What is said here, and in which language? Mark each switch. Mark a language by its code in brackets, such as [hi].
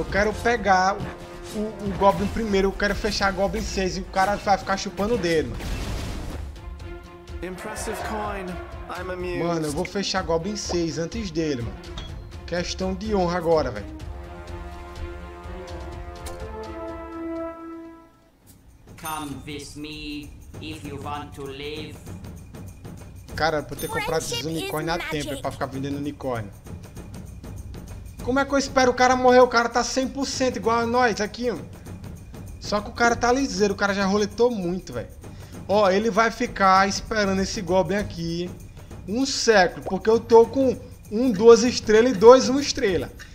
[pt] Eu quero pegar o goblin primeiro. Eu quero fechar a goblin 6 e o cara vai ficar chupando o dedo, mano. [en] Impressive coin. [pt] Mano, eu vou fechar Goblin 6 antes dele, mano. Questão de honra agora, velho. [en] Come with me if you want to live. [pt] Cara, pra ter comprado esses unicórnios na tempo pra ficar vendendo unicórnio. Como é que eu espero o cara morrer? O cara tá 100% igual a nós aqui, mano. Só que o cara tá liseiro, o cara já roletou muito, velho. Ó, ele vai ficar esperando esse Goblin aqui um século, porque eu tô com um, duas estrelas e dois, uma estrela.